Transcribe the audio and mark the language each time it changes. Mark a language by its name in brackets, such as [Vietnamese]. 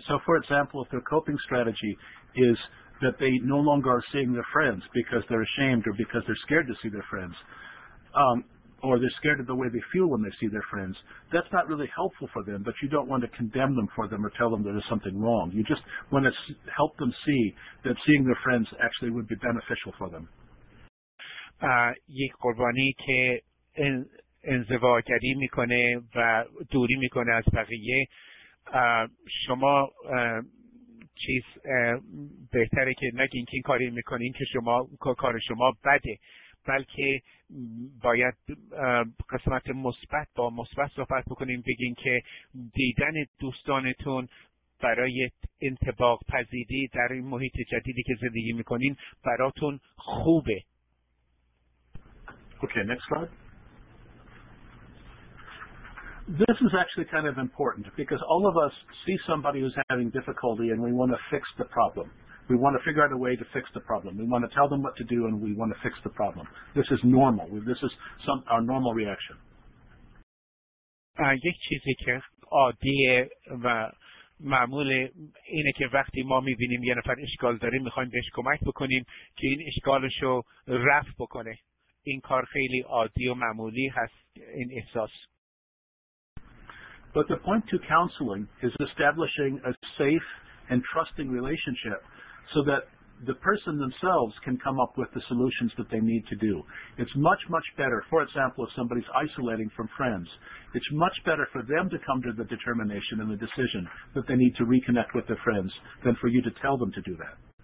[English] So for example, if their coping strategy is that they no longer are seeing their friends because they're ashamed or because they're scared to see their friends, or they're scared of the way they feel when they see their friends, that's not really helpful for them, but you don't want to condemn them for them or tell them that there's something wrong. You just want to help them see that seeing their friends actually would be beneficial for them. [Persian] یک قربانی که انزوا گری میکنه و دوری میکنه از بقیه، شما چیز بهتره که نگین که این کاری میکنین که شما کار شما بده، بلکه باید قسمت مثبت با مثبت صحبت بکنین، بگین که دیدن دوستانتون برای انطباق پذیری در این محیط جدیدی که زندگی میکنین براتون خوبه. [English] Okay, next slide. This is actually kind of important because all of us see somebody who's having difficulty and we want to fix the problem. We want to figure out a way to fix the problem. We want to tell them what to do and we want to fix the problem. This is normal. This is our normal reaction. [Persian] یک چیزی که عادیه و معموله اینه که وقتی ما میبینیم یه نفر اشکال داره میخوایم بهش کمک بکنیم که این اشکالشو رفع بکنه. این کار خیلی عادی و معمولی هست این احساس. [English] But the point to counseling is establishing a safe and trusting relationship so that the person themselves can come up with the solutions that they need to do. It's much, much better, for example, if somebody's isolating from friends, it's much better for them to come to the determination and the decision that they need to reconnect with their friends than for you to tell them to do that.